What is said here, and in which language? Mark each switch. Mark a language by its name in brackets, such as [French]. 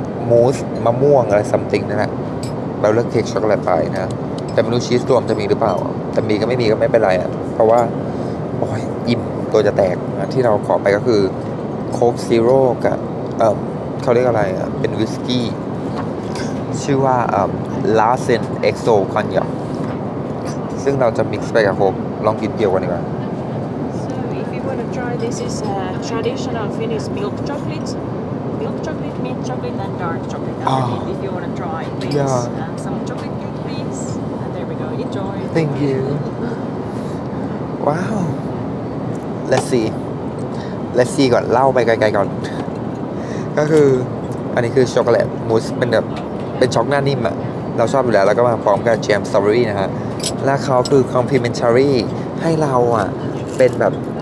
[Thai] มูสมะม่วงอะไรซัมติงนั่นแหละเราเลือกเค้กช็อกโกแลตไปนะแต่ไม่รู้ชีสรวมจะมีหรือเปล่าแต่มีก็ไม่มีก็ไม่เป็นไรอ่ะเพราะว่าโอ้ยอิ่มตัวจะแตกที่เราขอไปก็คือโค้กซีโร่กับเขาเรียกอะไรอ่ะเป็นวิสกี้ชื่อว่าลาเซนเอ็กโซคอนยักซึ่งเราจะมิกซ์ไปกับโค้กลองกินเดียวกันดีกว่า [English] So if you want to try this is a traditional Finnish milk chocolate mint chocolate and dark chocolate I mean, if you want to try please yeah. And some chocolate cake please and there we go enjoy thank you wow let's see [Thai] และซีก่อนเล่าไปไกลๆก่อนก็คืออันนี้คือช็อกโกแลตมูสเป็นแบบเป็นช็อกหน้านิ่มอ่ะเราชอบอยู่แล้วแล้วก็มาพร้อมกับแจมสตรอเบอรี่นะฮะและเขาคือคอมพลีเมนทารีให้เราอ่ะเป็นแบบ